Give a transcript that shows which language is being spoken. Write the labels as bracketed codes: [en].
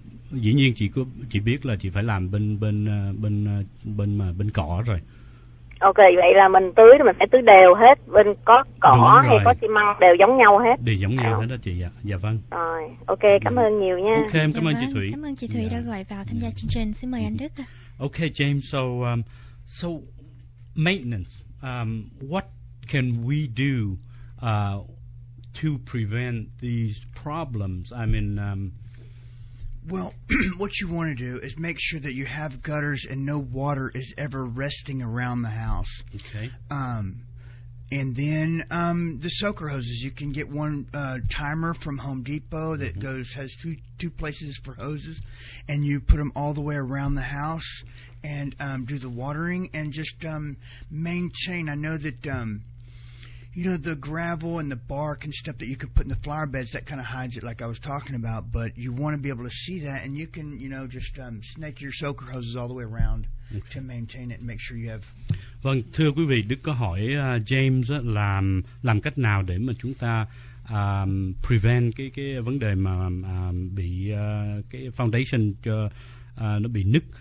[vi] Dĩ nhiên chị biết là chị phải làm bên mà bên cỏ rồi. Ok, vậy là mình tưới thì mình phải tưới đều hết, bên có cỏ hay có xi măng đều giống nhau hết. Đều giống nhau hết đó chị ạ. Dạ vâng. Rồi, ok, cảm ơn nhiều nha. Ok, em cảm ơn chị Thủy. Cảm ơn chị Thủy đã gọi vào tham gia chương trình. Xin mời anh Đức. [en] Ok, James, so maintenance, what can we do to prevent these problems? I mean, well, what you want to do is make sure that you have gutters and no water is ever resting around the house. Okay. And then the soaker hoses. You can get one timer from Home Depot that mm-hmm. has two places for hoses, and you put them all the way around the house and do the watering and just maintain. I know that you know, the gravel and the bark and stuff that you can put in the flower beds, that kind of hides it like I was talking about. But you want to be able to see that, and you can, you know, just snake your soaker hoses all the way around to maintain it and make sure you have... [vi] Vâng, thưa quý vị, Đức có hỏi James làm cách nào để mà chúng ta prevent cái vấn đề mà bị cái foundation cho nó bị nứt.